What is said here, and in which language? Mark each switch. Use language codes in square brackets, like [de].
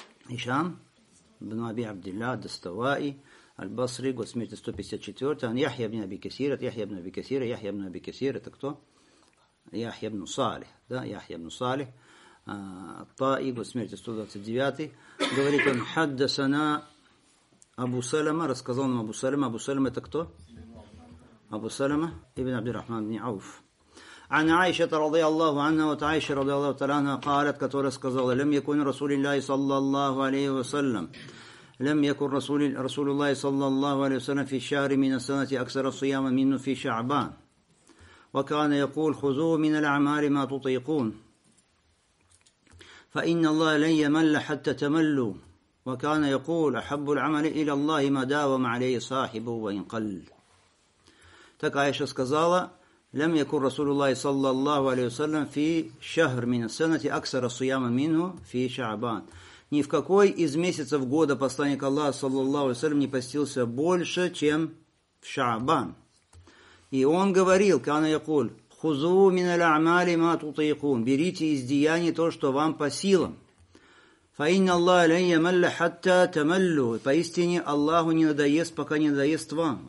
[ru] Хишам ибн Аби Абдилля, Достава и Аль-Басри, год смерти 154, он Яхья ибн Аби Касир, это Яхья ибн Аби Касир, Яхья ибн Аби Касир, это кто? Яхья ибн Салих, да, Яхья ибн Салих, Та'и, год смерти 129, говорит он, хаддасана Абу Салама, рассказал нам Абу Салама, Абу Салама это кто? Абу Салама ибн Абдиррахман ибн Ауф. [ar] عن عائشة رضي الله عنها وعائشة رضي الله تعالى عنها قالت [ru] которая сказала [ar] لم يكن رسول الله صلى الله عليه وسلم لم يكن رسول الله صلى الله عليه وسلم في شهر من السنة أكثر صياما منه في شعبان وكان يقول خذوا من الأعمال ما تطيقون فإن الله لن يمل حتى تملوا وكان يقول أحب العمل إلى الله ما داوم عليه صاحبه وإن قل. [ru] Так Аиша сказала, [ar] لم يكن رسول الله صلى الله عليه وسلم في شهر من السنة أكثر صياما منه في شعبان. [ru] Ни в какой из месяцев года посланник Аллаха, саллаллаху алейхи ва саллям, не постился больше, чем в Шаабан. И он говорил, [ar] кана якуль, хузу мин аль-амали ма тутайкун, [ru] берите из деяний то, что вам по силам. [ar] Фа инна Аллах лен ямалля хатта тамаллю, [ru] поистине Аллаху не надоест, пока не надоест вам.